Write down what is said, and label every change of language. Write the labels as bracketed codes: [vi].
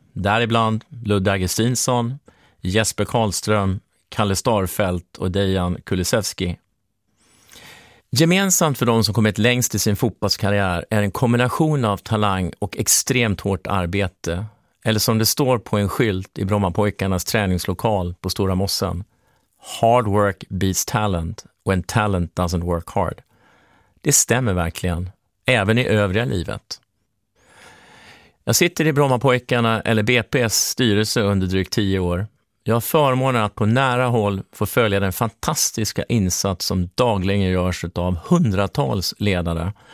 [sv] Däribland Ludde Augustinsson, Jesper Karlström, Kalle Starfelt och Dejan Kulusevski. Gemensamt för de som kommit längst i sin fotbollskarriär är en kombination av talang och extremt hårt arbete. Eller som det står på en skylt i Brommapojkarnas träningslokal på Stora Mossen. [en] Hard work beats talent when talent doesn't work hard. [sv] Det stämmer verkligen, även i övriga livet. Jag sitter i Brommapojkarna eller BP:s styrelse under drygt 10 år. Jag har förmånen att på nära håll få följa den fantastiska insats som dagligen görs av hundratals ledare.